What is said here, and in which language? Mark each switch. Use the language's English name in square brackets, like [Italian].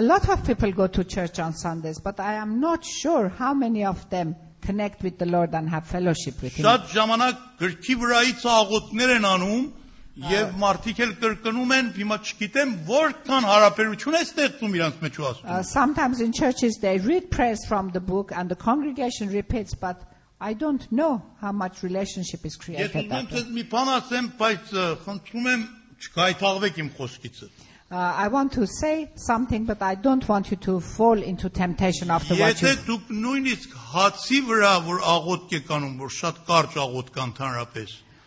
[English] lot of people go to church on Sundays, but I am not sure how many of them connect with the Lord and have fellowship with Him. [Armenian] Շատ ժամանակ գրքի վրայից աղոթներ են անում, և մարդիկ էլ կրկնում են, հիմա չգիտեմ, որքան հարաբերություն է ստեղծում իրանց մեջ ու աստծո։ [English] Sometimes in churches they read prayers from the book and the congregation repeats, but I don't know how much relationship is created. [Armenian] Ես ուզում եմ մի բան ասեմ, բայց խնդրում եմ չկայթաղվեք իմ խոսքիցը։ [English] I want to say something, but I don't want you to fall into temptation after what you... [Armenian] Եթե դուք նույնիսկ հացի վրա, որ աղոտք եք անում, որ շատ կարճ աղոտք ընդհանրապես,